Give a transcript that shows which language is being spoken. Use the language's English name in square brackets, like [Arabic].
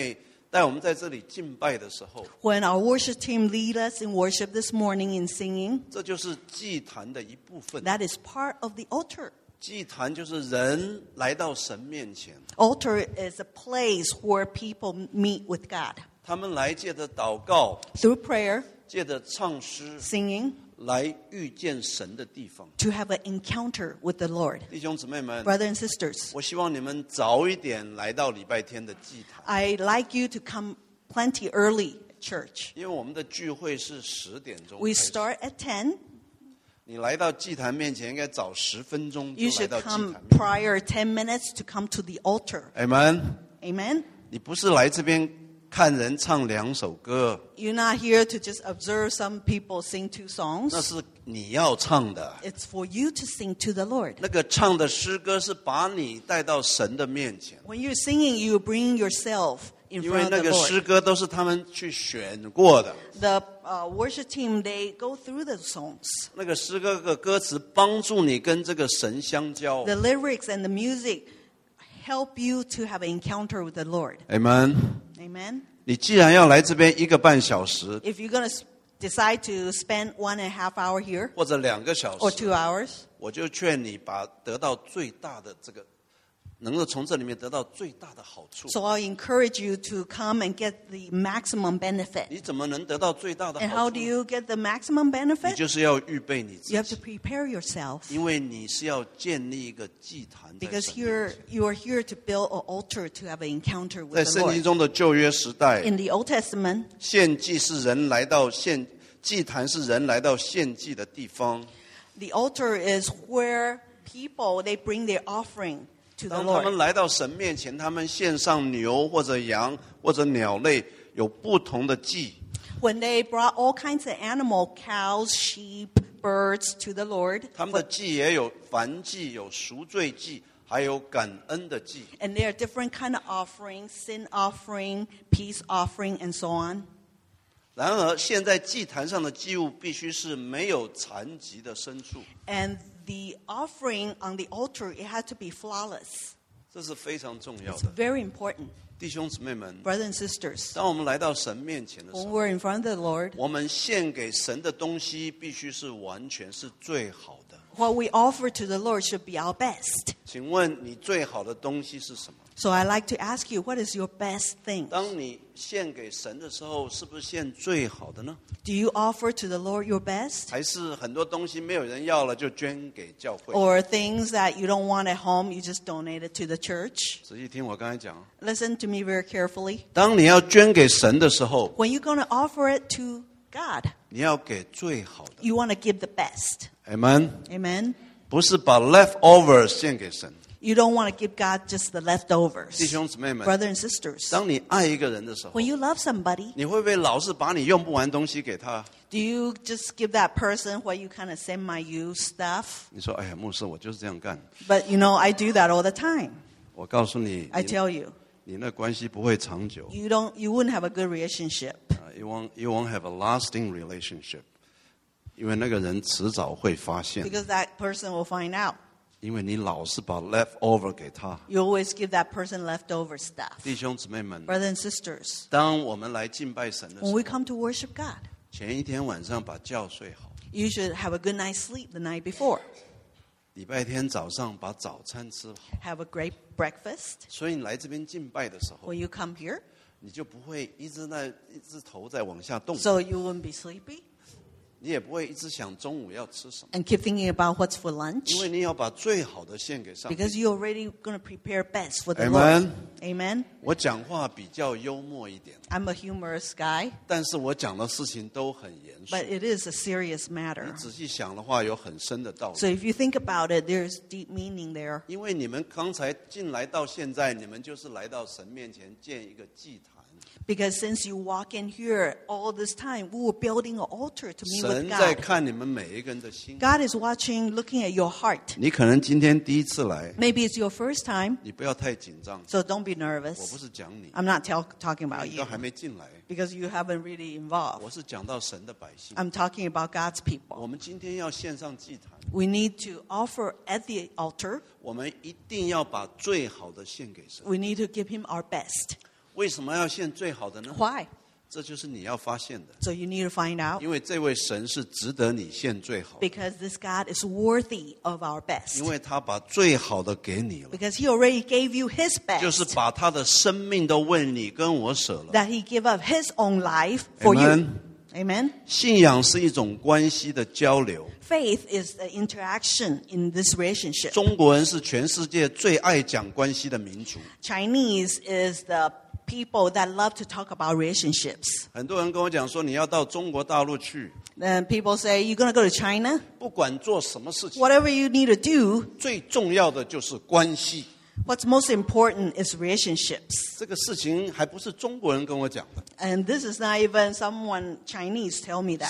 [Chinese] 今天早上当我们的弟兄跟两位姊妹带我们在这里敬拜的时候, [English] when our worship team lead us in worship this morning in singing, [Chinese] 这就是祭坛的一部分, [English] that is part of the altar. [Chinese] 祭坛就是人来到神面前, [English] altar is a place where people meet with God. [Chinese] 他们来借着祷告, [English] through prayer, [Chinese] 借着唱诗, [English] singing, [Chinese] 来遇见神的地方, [English] to have an encounter with the Lord. [Chinese] 弟兄姊妹们, [English] brother and sisters, [Chinese] 我希望你们早一点来到礼拜天的祭坛, [English] I'd like you to come plenty early, church. [Chinese] 因为我们的聚会是10点钟, [English] we start at 10. [Chinese] 你来到祭坛面前应该早10分钟, [English] you should come prior 10 minutes to come to the altar. Amen. Amen. [Chinese] 你不是来这边看人唱两首歌。 [English] You're not here to just observe some people sing two songs. [Chinese] 那是你要唱的。 [English] It's for you to sing to the Lord. [Chinese] 那个唱的诗歌是把你带到神的面前。 [English] When you're singing, you bring yourself in front of the Lord. [Chinese] 因为那个诗歌都是他们去选过的。 [English] The worship team, they go through the songs. [Chinese] 那个诗歌的歌词帮助你跟这个神相交。 [English] The lyrics and the music help you to have an encounter with the Lord. Amen. Amen. [Chinese] 你既然要来这边一个半小时 [English] If you're going to decide to spend 1.5 hours here [Chinese] 或者两个小时 [English] Or 2 hours [Chinese] 我就劝你把得到最大的这个能够从这里面得到最大的好处 [English] So I'll encourage you to come and get the maximum benefit [Chinese] 你怎么能得到最大的好处 [English] And how do you get the maximum benefit? [Chinese] 你就是要预备你自己 [English] You have to prepare yourself [Chinese] 因为你是要建立一个祭坛在神面前 [English] Because you are here to build an altar to have an encounter with the Lord [Chinese] 在圣经中的旧约时代 [English] In the Old Testament [Chinese] 献祭是人来到献祭坛是人来到献祭的地方 [English] The altar is where people they bring their offering [Chinese] 当他们来到神面前，他们献上牛或者羊或者鸟类，有不同的祭。 [English] When they brought all kinds of animal, cows, sheep, birds to the Lord, [Chinese] 他们的祭也有燔祭、有赎罪祭，还有感恩的祭。 [English] And there are different kind of offerings, sin offering, peace offering, and so on. [Chinese] 然而，现在祭坛上的祭物必须是没有残疾的牲畜。 [English] And The offering on the altar, it had to be flawless. [Chinese] 这是非常重要的。 [English] It's very important. [Chinese] 弟兄姊妹们 [English] Brothers and sisters, [Chinese] 当我们来到神面前的时候 [English] When we're in front of the Lord, [Chinese] 我们献给神的东西必须是完全是最好的。 [English] What we offer to the Lord should be our best. [Chinese] 请问你最好的东西是什么 [English] So I'd like to ask you, what is your best thing? [Chinese] 当你献给神的时候是不是献最好的呢 [English] Do you offer to the Lord your best? [Chinese] 还是很多东西没有人要了就捐给教会 [English] Or things that you don't want at home, you just donate it to the church? [Chinese] 仔细听我刚才讲 [English] Listen to me very carefully. [Chinese] 当你要捐给神的时候 [English] When you're going to offer it to God, [Chinese] 你要给最好的 [English] You want to give the best. Amen. Amen. [Chinese] 不是把 leftover 献给神 [English] You don't want to give God just the leftovers. [Chinese] 弟兄姊妹们 [English] Brothers and sisters. [Chinese] 当你爱一个人的时候 [English] When you love somebody. [Chinese] 你会不会老是把你用不完东西给他 [English] Do you just give that person what you kind of semi-use stuff? [Chinese] 你说哎呀牧师我就是这样干 [English] But you know, I do that all the time. [Chinese] 我告诉你 [English] I tell you. [Chinese] 你那关系不会长久 [English] You wouldn't have a good relationship. You won't have a lasting relationship. [Chinese] 因为那个人迟早会发现 [English] Because that person will find out. [Chinese] 因为你老是把 leftover 给他。 [English] You always give that person leftover stuff. [Chinese] 弟兄姊妹们。 [English] Brothers and sisters. [Chinese] 当我们来敬拜神的时候。 [English] When we come to worship God. [Chinese] 前一天晚上把觉睡好。 [English] You should have a good night's sleep the night before. [Chinese] 礼拜天早上把早餐吃好。 [English] Have a great breakfast. [Chinese] 所以你来这边敬拜的时候。 [English] When you come here. [Chinese] 你就不会一直那一只头在往下动。 [English] So you wouldn't be sleepy. [Chinese] 你也不会一直想中午要吃什么。 [English] And keep thinking about what's for lunch. [Chinese] 因为你要把最好的献给上帝。 [English] Because you're already going to prepare best for the Lord. Amen. Amen. [Chinese] 我讲话比较幽默一点。 [English] I'm a humorous guy. [Chinese] 但是我讲的事情都很严肃。 [English] But it is a serious matter. [Chinese] 你仔细想的话有很深的道理。 [English] So if you think about it, there's deep meaning there. [Chinese] 因为你们刚才进来到现在，你们就是来到神面前建一个祭坛。 [English] Because since you walk in here all this time, we were building an altar to meet with God. [Chinese] 神在看你们每一个人的心。 [English] God is watching, looking at your heart. [Chinese] 你可能今天第一次来。 [English] Maybe it's your first time. [Chinese] 你不要太紧张。 [English] So don't be nervous. [Chinese] 我不是讲你。 [English] I'm not talking about you. [Chinese] 你都还没进来。 [English] Because you haven't really involved. [Chinese] 我是讲到神的百姓。 [English] I'm talking about God's people. [Chinese] 我们今天要献上祭坛。 [English] We need to offer at the altar. [Chinese] 我们一定要把最好的献给神。 [English] We need to give him our best. [Chinese] 为什么要献最好的呢 [English] Why? [Chinese] 这就是你要发现的 [English] So you need to find out [Chinese] 因为这位神是值得你献最好的 [English] Because this God is worthy of our best [Chinese] 因为他把最好的给你了 [English] Because he already gave you his best [Chinese] 就是把他的生命都为你跟我舍了 [English] That he gave up his own life for you Amen. Amen [Chinese] 信仰是一种关系的交流 [English] Faith is the interaction in this relationship [Chinese] 中国人是全世界最爱讲关系的民族 [English] Chinese is thepeople that love to talk about relationships. [Chinese] 很多人跟我讲说你要到中国大陆去。 [English] And people say, you're going to go to China? [Chinese] 不管做什么事情。 [English] Whatever you need to do, [Chinese] 最重要的就是关系。 [English] What's most important is relationships. [Chinese] 这个事情还不是中国人跟我讲的。 [English] And this is not even someone Chinese tell me that.